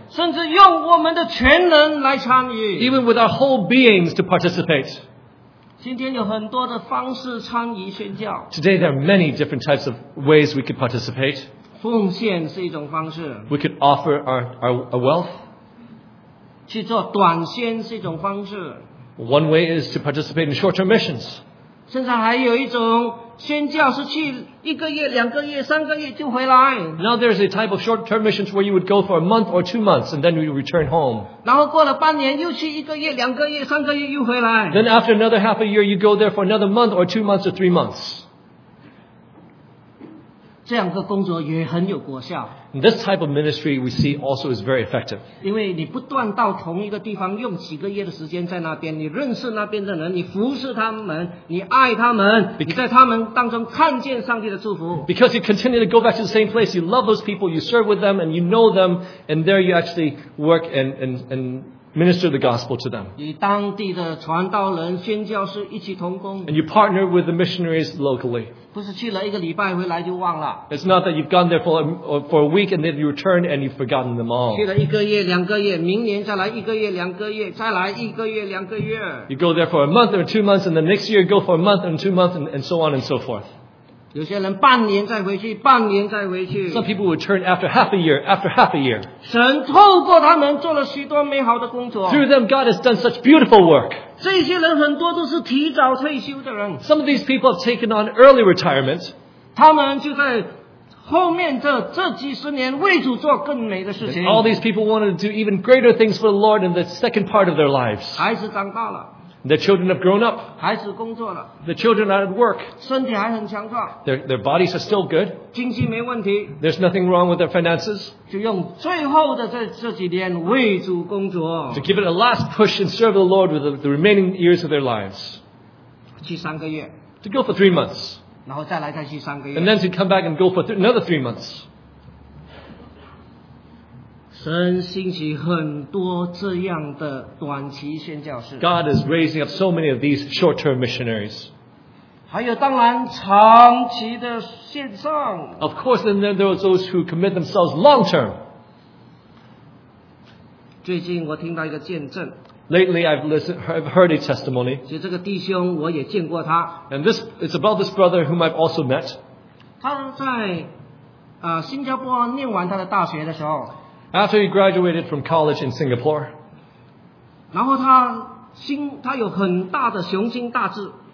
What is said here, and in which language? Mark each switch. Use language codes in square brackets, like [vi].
[zh] 甚至用我们的全人来参与, [en] even with our whole beings to participate. [zh] 今天有很多的方式参与宣教。 [en] Today there are many different types of ways we could participate. [zh] 奉献是一种方式。 [en] We could offer our wealth. [zh] 去做短宣是一种方式。 [en] One way is to participate in short-term missions. [zh] 甚至还有一种宣教是去一个月、两个月、三个月就回来。 [en] Now there's a type of short-term missions where you would go for a month or 2 months and then you return home. [zh] 然后过了半年又去一个月、两个月、三个月又回来。 [en] Then after another half a year, you go there for another month or 2 months or 3 months. [zh] 这样的工作也很有果效。 [en] And this type of ministry we see also is very effective. [zh] 因为你不断到同一个地方用几个月的时间在那边，你认识那边的人，你服侍他们，你爱他们，你在他们当中看见上帝的祝福。 [en] Because you continue to go back to the same place, you love those people, you serve with them, and you know them, and there you actually work and minister the gospel to them. [zh] 与当地的传道人、宣教士一起同工。 [en] And you partner with the missionaries locally. [zh] 不是去了一个礼拜回来就忘了。 [en] It's not that you've gone there for a week and then you return and you've forgotten them all. [zh] 去了一个月、两个月，明年再来一个月、两个月，再来一个月、两个月。 [en] You go there for a month or 2 months and the next year go for a month and 2 months and so on and so forth. [zh] 有些人半年再回去，半年再回去。 [en] Some people return after half a year, after half a year. [zh] 神透过他们做了许多美好的工作。 [en] Through them, God has done such beautiful work. [zh] 这些人很多都是提早退休的人。 [en] Some of these people have taken on early retirement. [zh] 他们就在后面这几十年为主做更美的事情。 [en] And all these people wanted to do even greater things for the Lord in the second part of their lives. [zh] 孩子长大了。 [en] Their children have grown up. [zh] 孩子工作了。 [en] Their children are at work. [zh] 身体还很强壮。 [en] Their bodies are still good. [zh] 经济没问题。 [en] There's nothing wrong with their finances. [zh] 就用最后的这几年为主工作。 [en] To give it a last push and serve the Lord with the remaining years of their lives. [zh] 去三个月。 [en] To go for 3 months. [zh] 然后再来再去三个月。 [en] And then to come back and go for another 3 months. [zh] 神兴起很多这样的短期宣教士。 [en] God is raising up so many of these short-term missionaries. [zh] 还有当然长期的线上。 [en] Of course, and then there are those who commit themselves long term. [zh] 最近我听到一个见证。 [en] Lately, I've heard a testimony. [zh] 就这个弟兄我也见过他。 [en] And this, it's about this brother whom I've also met. [zh] 他在新加坡念完他的大学的时候。 [en] After he graduated from college in Singapore. [zh] 然后他有很大的雄心大志。